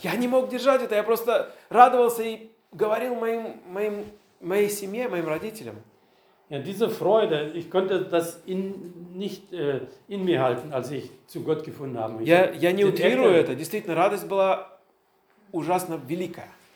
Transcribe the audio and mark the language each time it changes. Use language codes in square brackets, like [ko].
[ru] Я не мог держать это. Я просто радовался и говорил моей семье, моим родителям. [de] Ja, diese Freude, ich konnte das nicht in mir halten, als ich zu Gott gefunden habe. [ru] Я не утрирую это. Действительно, радость была ужасно великая.